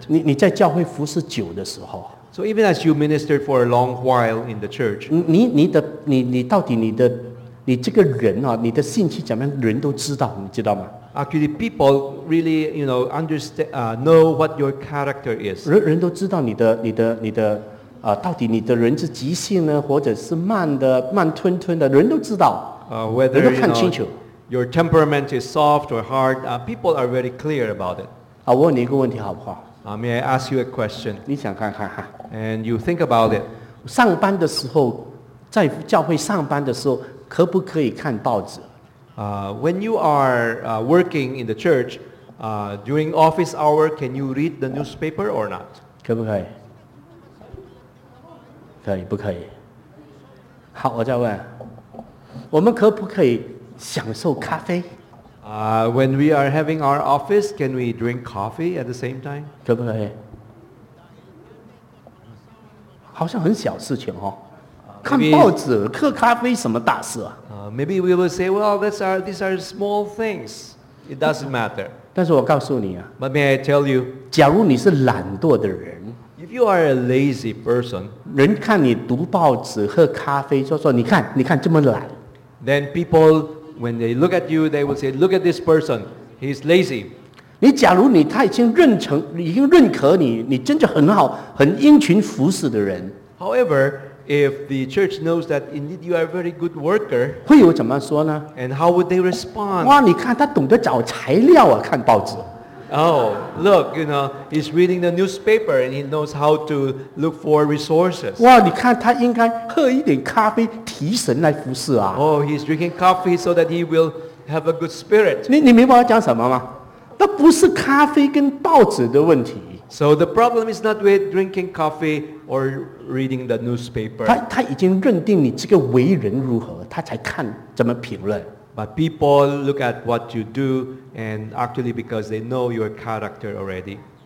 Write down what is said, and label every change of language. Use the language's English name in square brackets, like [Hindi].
[Chinese] 你在教会服事久的时候 [English] ，So even as you ministered for a long while in the church， [Chinese] 你到底你这个人啊，你的信息怎么样，人都知道，你知道吗？ [English] Actually, people really, you know, understand, know what your character is. [Chinese] 人都知道你的到底你的人是急性呢，或者是慢的，慢吞吞的，人都知道。 [English] Whether, [Chinese] 人都看清楚。 [English] You know, your temperament is soft or hard, people are very clear about it. [Chinese] 我问你一个问题好不好？ [English] May I ask you a question? [Chinese] 你想看看哈。 [English] And you think about it. [Chinese] 上班的时候，在教会上班的时候，可不可以看报纸？ [English] When you are working in the church, during office hour, can you read the newspaper or not? [Chinese] 可不可以？可以，不可以？好，我再问。我们可不可以享受咖啡？ [English] When we are having our office, can we drink coffee at the same time? [Chinese] 可不可以？好像很小事情哦。看报纸、喝咖啡，什么大事啊？ [English] Maybe we will say, well, these are small things. It doesn't matter. [Chinese] 但是我告诉你啊。 [English] But may I tell you? [Chinese] 假如你是懒惰的人。 [English] If you are a lazy person. [Chinese] 人看你读报纸、喝咖啡，说你看这么懒。 [English] Then people, when they look at you, they will say, look at this person. He's lazy. [Chinese] 你假如你他已经认可你，你真的很好，很殷勤服侍的人。 [English] However,If the church knows that indeed you are a very good worker, [Chinese] 会有怎么说呢 [English] ？And how would they respond? [Chinese] 哇，你看他懂得找材料啊，看报纸。 [English] Oh, look, you know, he's reading the newspaper and he knows how to look for resources. [Chinese] 哇，你看他应该喝一点咖啡提神来服事啊。 [English] Oh, he's drinking coffee so that he will have a good spirit. [Chinese] 你明白我讲什么吗？那不是咖啡跟报纸的问题。 [English] So the problem is not with drinking coffee or reading the newspaper. [Chinese] 他已经认定你这个为人如何，他才看怎么评论。 [English] But people look at what you do, and actually because they know your character already.